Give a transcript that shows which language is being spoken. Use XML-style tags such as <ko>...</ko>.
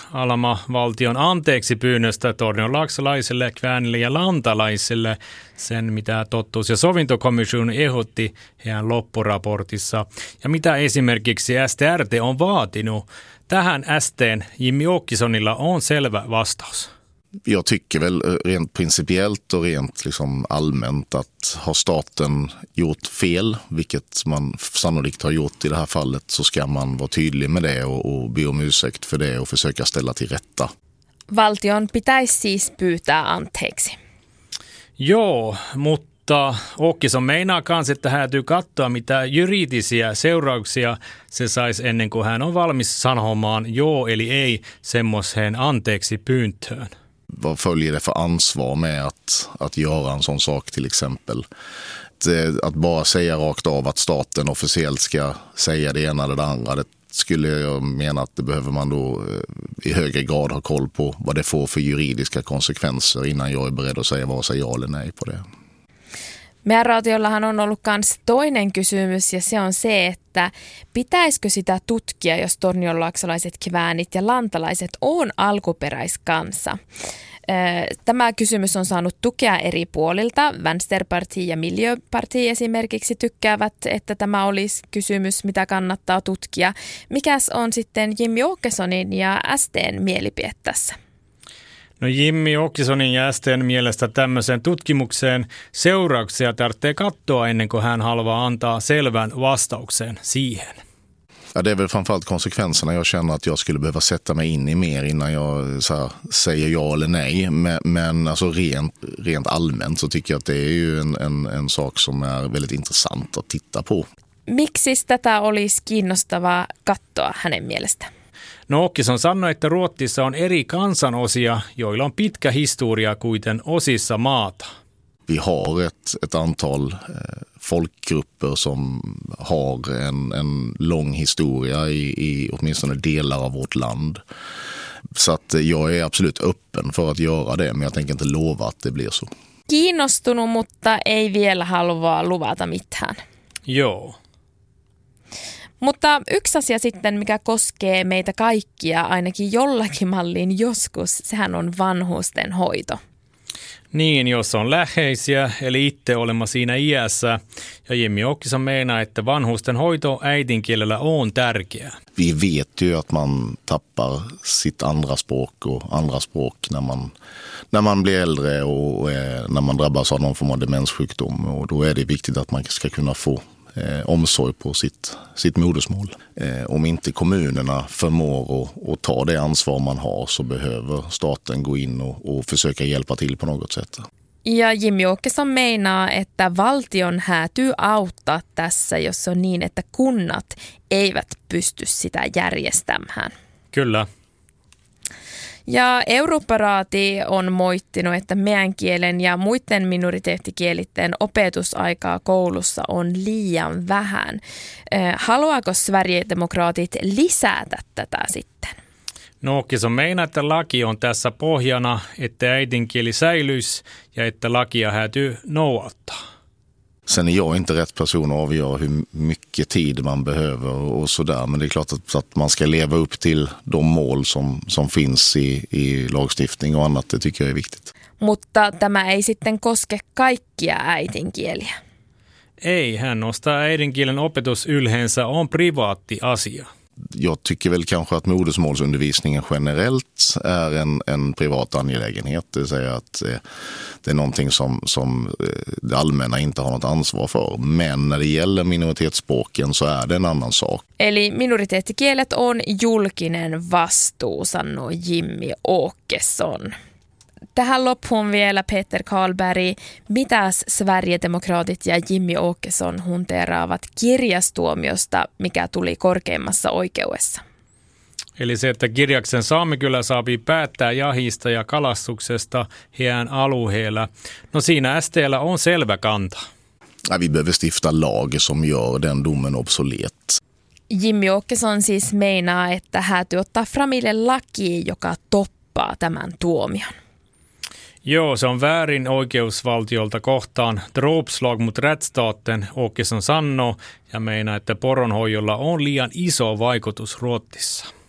<fi>Alama valtion anteeksi pyynnöstä tornionlaaksalaisille, kväänille ja lantalaisille sen, mitä Totuus- ja sovintokomission ehdotti heidän loppuraportissa ja mitä esimerkiksi STRT on vaatinut. Tähän STn Jimmy Åkessonilla on selvä vastaus.</fi> <sv>Jag tycker väl rent principiellt och rent liksom allmänt att har staten gjort fel, vilket man sannolikt har gjort i det här fallet, så ska man vara tydlig med det och be om ursäkt för det och försöka ställa till rätta.</sv> <fi>Valtion pitäisi siis pyytää anteeksi. Joo, mutta Åkesson meinaa kans, että häätyy katsoa, mitä juridisia seurauksia se saisi ennen kuin hän on valmis sanomaan joo eli ei semmoiseen anteeksi pyyntöön.</fi> <sv>Vad följer det för ansvar med att göra en sån sak till exempel? Att bara säga rakt av att staten officiellt ska säga det ena eller det andra, det skulle jag mena att det behöver man då i högre grad ha koll på vad det får för juridiska konsekvenser innan jag är beredd att säga vare sig ja eller nej på det.</sv> <fi>Meidän radiollahan on ollut kans toinen kysymys ja se on se, että pitäisikö sitä tutkia, jos tornionlaaksalaiset kväänit ja lantalaiset on alkuperäiskansa. Tämä kysymys on saanut tukea eri puolilta. Vänsterparti ja Miljöparti esimerkiksi tykkäävät, että tämä olisi kysymys, mitä kannattaa tutkia. Mikäs on sitten Jimmy Åkessonin ja STn mielipide tässä? No Jimmy Åkessonin ja STn mielestä tämmöiseen tutkimukseen seurauksia tarvitsee katsoa ennen kuin hän haluaa antaa selvän vastauksen siihen.</fi> <sv>Ja, det är väl framförallt konsekvenserna jag känner att jag skulle behöva sätta mig in i mer innan jag så här, säger ja eller nej. Men alltså rent allmänt så tycker jag att det är ju en sak som är väldigt intressant att titta på.</sv> <fi>Miksi tätä olisi kiinnostavaa katsoa hänen mielestä? No Åkesson sanoi, että Ruotsissa on eri kansanosia, joilla on pitkä historia kuiten osissa maata.</fi> <sv>vi har ett antal folkgrupper som har en lång historia i åtminstone delar av vårt land. Så att jag är absolut öppen för att göra det, men jag tänker inte lova att det blir så.</sv> <fi>Kiinnostunut, mutta ei vielä halua luvata mitään. Joo. Mutta yksi asia sitten, mikä koskee meitä kaikkia ainakin jollakin mallin joskus, sehän on vanhusten hoito. Niin, jos on läheisiä, eli itse olemme siinä iässä. Ja Jimmy Åkesson meinaa, että vanhusten hoito äidinkielellä on tärkeää.</fi> <sv>Vi vet ju att man tappar sitt andra språk och andra språk när man blir äldre och när man drabbas av någon form av demenssjukdom. Och då är det viktigt att man ska kunna få omsorg på sitt modersmål. Om inte kommunerna förmår att ta det ansvar man har, så behöver staten gå in och försöka hjälpa till på något sätt.</sv> <fi>Ja Jimmy Åkesson</fi> <sv>menar att</sv> <fi>valtion häätyy auttaa tässä, jos on niin, että kunnat eivät pysty sitä järjestämään. Kyllä. Ja Eurooppa-raati on moittinut, että meidän kielen ja muiden minoriteettikielitten opetusaikaa koulussa on liian vähän. Haluaako Sverigedemokraatit lisätä tätä sitten? No okei, on meinaa, että laki on tässä pohjana, että äidinkieli säilyisi ja että lakia häätyy noudattaa.</fi> <sv>Sen är jag inte rätt person att avgöra hur mycket tid man behöver och sådär. Men det är klart att man ska leva upp till de mål som finns i lagstiftning och annat. Det tycker jag är viktigt.</sv> <fi>Mutta tämä ei sitten koske kaikkia äidinkieliä. Ei, hän nostaa äidinkielen opetus ylhänsä on privaatti asia.</fi> <sv>Jag tycker väl kanske att modersmålsundervisningen generellt är en privat angelägenhet. Det vill säga att det är någonting som det allmänna inte har något ansvar för. Men när det gäller minoritetsspråken så är det en annan sak.</sv> <fi>Eli minoritetskielet on julkinen vastuu, sanoo Jimmy Åkesson. Tähän loppuun vielä Peter Karlberg. Mitäs Sverigedemokraatit ja Jimmy Åkesson hunteeraavat kirjastuomiosta, mikä tuli korkeimmassa oikeudessa? Eli se, että kirjaksen saami kyllä saapii päättää jahista ja kalastuksesta heidän alueella. No siinä STL on selvä kanta.</fi> <sv>Vi behöver stifta lag som gör den domen obsolet.</sv> <fi>Jimmy Åkesson siis meinaa, että häätyy ottaa framille laki, joka toppaa tämän tuomion. Joo, se on väärin oikeusvaltiolta kohtaan.</fi> <sv>Dropslag mut rättsstaten,</sv> <fi>Åkesson sanoo, ja meinaa, että poronhoijolla on liian iso vaikutus Ruotsissa.</fi>